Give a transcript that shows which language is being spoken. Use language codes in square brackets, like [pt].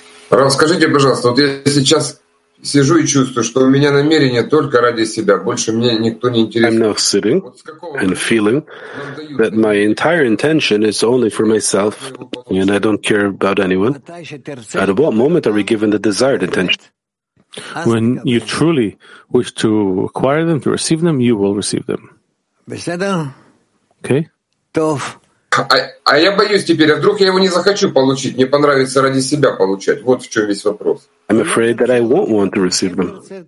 [ru] Расскажите, пожалуйста, вот я сейчас сижу и чувствую, что у меня намерение только ради себя, больше меня никто не интересует. [en] I'm now sitting and feeling that my entire intention is only for myself, and I don't care about anyone. At what moment are we given the desired intention? When you truly wish to acquire them, to receive them, you will receive them. Okay. [he] Tov. [ru] А я боюсь теперь, а вдруг я его не захочу получить, мне понравится ради себя получать. Вот в чем весь вопрос. [en] I'm afraid that I won't want to receive them.